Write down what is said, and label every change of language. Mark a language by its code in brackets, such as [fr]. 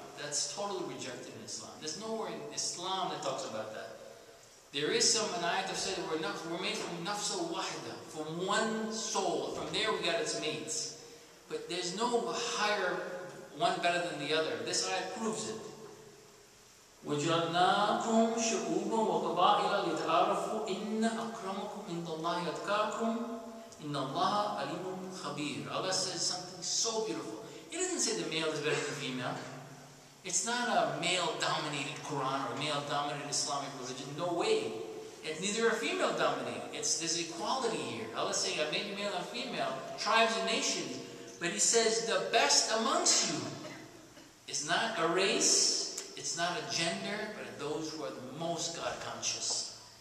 [en] That's totally rejected in Islam. There's nowhere in Islam that talks about that. There is some an ayat that said that we're made from nafsu wahda, from one soul. From there we got its mates. But there's no higher one better than the other. This ayat proves it. [ar] وَجَعَلْنَاكُمْ شُعُوبًا وَقَبَائِلَ لِتَعَارَفُوا إِنَّ أَكْرَمَكُمْ إِنَّ اللَّهَ يَتْقَاكُمْ إِنَّ اللَّهَ عَلِيمٌ خَبِيرٌ [en] Allah says something so beautiful. He doesn't say the male is better than the female. It's not a male-dominated Quran or a male-dominated Islamic religion. No way. It's neither a female-dominated. There's equality here. Allah is saying, I made you male and female, tribes and nations. But He says, the best amongst you is not a race, it's not a gender, but those who are the most God-conscious.